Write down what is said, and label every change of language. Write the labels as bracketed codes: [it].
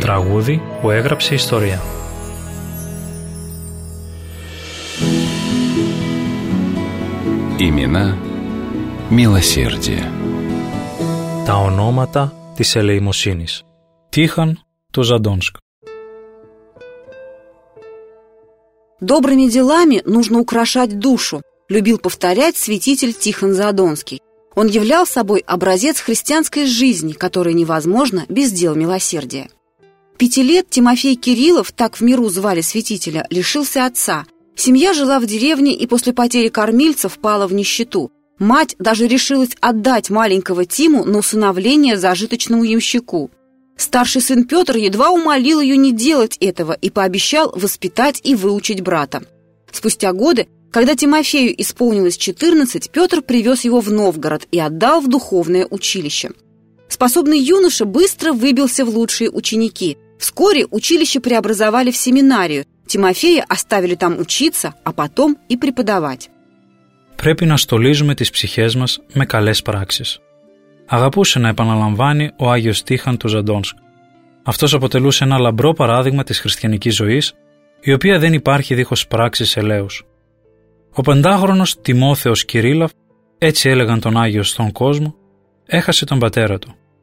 [el] Τραγούδι που έγραψε ιστορία. [ru] Имена милосердия. [el] Τα ονόματα της ελεημοσύνης. Тихон του Задонск. [ru] Добрыми делами нужно украшать душу, любил повторять святитель Тихон Задонский. Он являл собой образец христианской жизни, которой невозможно без дел милосердия. 5 лет Тимофей Кириллов, так в миру звали святителя, лишился отца. Семья жила в деревне и после потери кормильца впала в нищету. Мать даже решилась отдать маленького Тиму на усыновление зажиточному ямщику. Старший сын Петр едва умолил ее не делать этого и пообещал воспитать и выучить брата. Спустя годы, когда Тимофею исполнилось 14, Петр привез его в Новгород и отдал в духовное училище. Способный юноша быстро выбился в лучшие ученики. Вскоре училище преобразовали в семинарию. Тимофея оставили там учиться, а потом и преподавать. [el] Πρέπει να στολίζουμε τις ψυχές μας με καλές πράξεις. Αγαπούσε να επαναλαμβάνει ο Άγιος Τίχαν του Ζαντόνσκ. Αυτός αποτελούσε ένα λαμπρό παράδειγμα της χριστιανικής ζωής, η οποία δεν υπάρχει δίχως πράξεις ελέους. Ο 5χρονος Τιμόθεος Κυρίλαφ, έτσι έλεγαν τον Άγιο στον κόσμο, έχασε τον πατέρα του.